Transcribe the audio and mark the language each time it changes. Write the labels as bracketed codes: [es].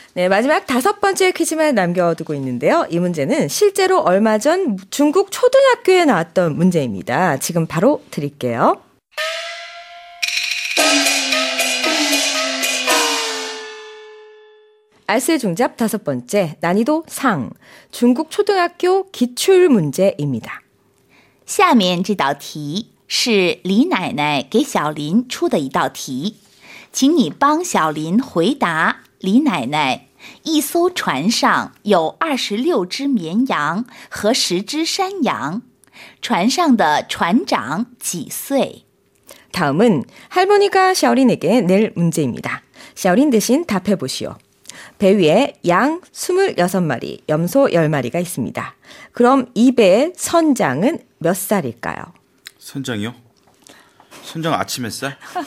[ko] 네, 마지막 다섯 번째 퀴즈만 남겨두고 있는데요. 이 문제는 실제로 얼마 전 중국 초등학교에 나왔던 문제입니다. 지금 바로 드릴게요. 알쓸 중잡 다섯 번째, 난이도 상, 중국 초등학교 기출 문제입니다. [zh] 下面这道题 是李奶奶给小林出的一道题请你帮小林回答李奶奶一艘船上有二十六只绵羊和十只山羊船上的船长几岁 [ko] 다음은 할머니가 小林에게 낼 문제입니다. 小林 대신 답해보시오. 배 위에 양 26마리, 염소 10마리가 있습니다. 그럼 이 배의 선장은 몇 살일까요? 선장이요? 선장 아침 햇살?